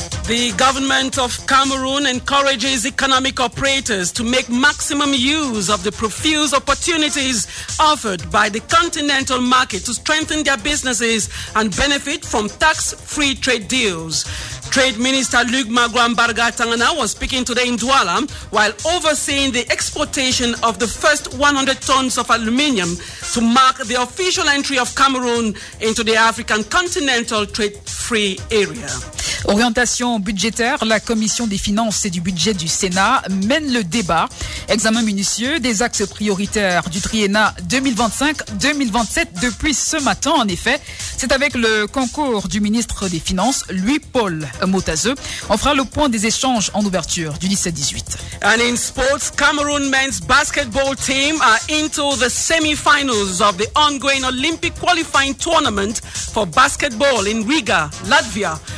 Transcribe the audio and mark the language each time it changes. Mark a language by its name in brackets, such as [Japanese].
[English] The government of Cameroon encourages economic operators to make maximum use of the profuse opportunities offered by the continental market to strengthen their businesses and benefit from tax-free trade deals. Trade Minister Luc Magouan-Barga Tangana was speaking today in Douala while overseeing the exportation of the first 100 tons of aluminium to mark the official entry of Cameroon into the African continental trade-free area. [French] Orientation budgétaire, la Commission des finances et du budget du Sénat mène le débat. Examen minutieux des axes prioritaires du triennat 2025-2027 depuis ce matin. En effet, c'est avec le concours du ministre des Finances, Louis-Paul Motazeux. On fera le point des échanges en ouverture du 17-18. [English] And in sports, Cameroon men's basketball team are into the semi-finals of the ongoing Olympic qualifying tournament for basketball in Riga, Latvia.